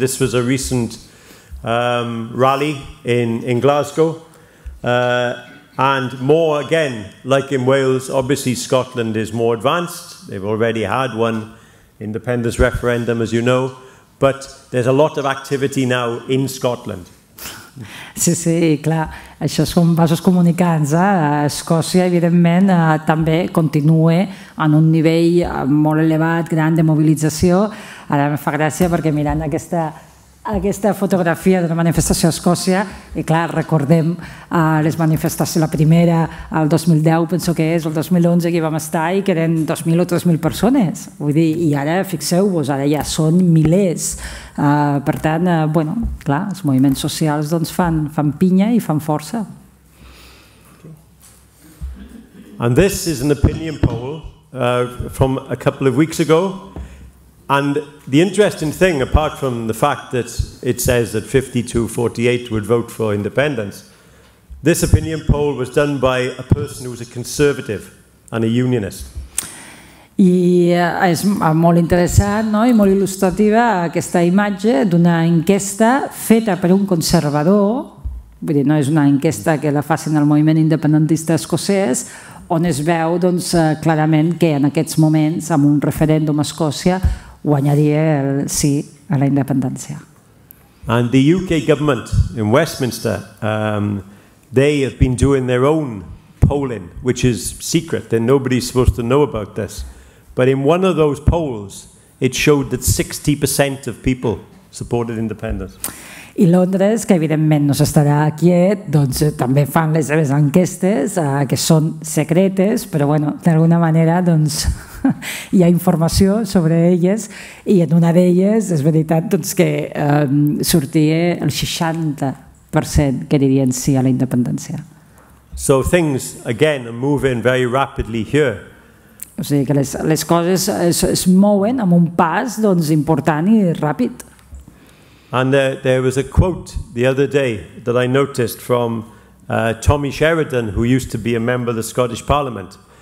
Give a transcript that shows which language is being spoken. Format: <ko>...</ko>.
<en>This was a recent rally in Glasgow. And more again, like in Wales, obviously Scotland is more advanced. They've already had one independence referendum, as you know. But there's a lot of activity now in Scotland.</en> <ca>Sí, sí, clar. Això són vasos comunicants. Escòcia, evidentment, també continua en un nivell molt elevat, gran, de mobilització. Ara em fa gràcia perquè mirant aquesta fotografia d'una manifestació a Escòcia, i clar, recordem les manifestacions, la primera el 2010, penso que és, el 2011 que hi vam estar, i que eren 2.000 o 3.000 persones. Vull dir, i ara, fixeu-vos, ara ja són milers. Per tant, els moviments socials doncs, fan pinya i fan força.</ca> <en>And this is an opinion poll from a couple of weeks ago. And the interesting thing, apart from the fact that it says that 52-48 would vote for independence, this opinion poll was done by a person who was a conservative and a unionist.</en> <ca>I és molt interessant, no?, i molt il·lustrativa aquesta imatge d'una enquesta feta per un conservador, vull dir, no és una enquesta que la facin el moviment independentista escocès, on es veu doncs, clarament que en aquests moments, amb un referèndum a Escòcia, guanyaria el sí a la independència.</ca> <en>And the UK government in Westminster, they have been doing their own polling, which is secret, and nobody's supposed to know about this. But in one of those polls, it showed that 60% of people supported independence.</en> <ca>I Londres, que evidentment no s'estarà quiet, doncs també fan les seves enquestes, que són secretes, però bueno, d'alguna manera doncs, hi ha informació sobre elles, i en una d'elles és veritat doncs, que sortia el 60% que dirien sí a la independència.</ca> <en>So things, again, are moving very rapidly here.</en> <ca>O sigui que les coses es mouen amb un pas doncs, important i ràpid.</ca> <en>And there was a quote the other day that I noticed from Tommy Sheridan, who used to be a member of the Scottish Parliament.</en>